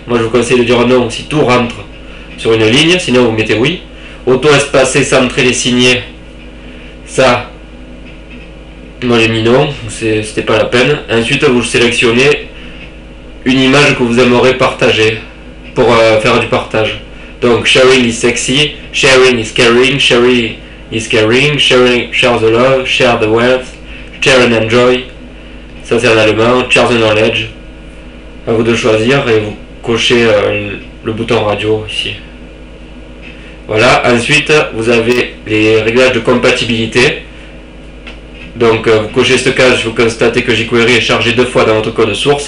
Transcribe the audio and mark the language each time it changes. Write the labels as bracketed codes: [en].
[fr] Moi, je vous conseille de dire non si tout rentre sur une ligne, sinon vous mettez oui. Auto-espacer, centrer les signés. Ça, moi j'ai mis non, c'était pas la peine. Ensuite, vous sélectionnez une image que vous aimeriez partager pour faire du partage. [en] Donc, sharing is sexy, sharing is caring, sharing is caring, sharing share the love, share the wealth, share and enjoy. [fr] Ça, c'est en allemand, [en] share the knowledge. [fr] À vous de choisir et vous cochez le bouton radio ici. Voilà, ensuite, vous avez les réglages de compatibilité. Donc, vous cochez ce cas, vous constatez que jQuery est chargé deux fois dans votre code source.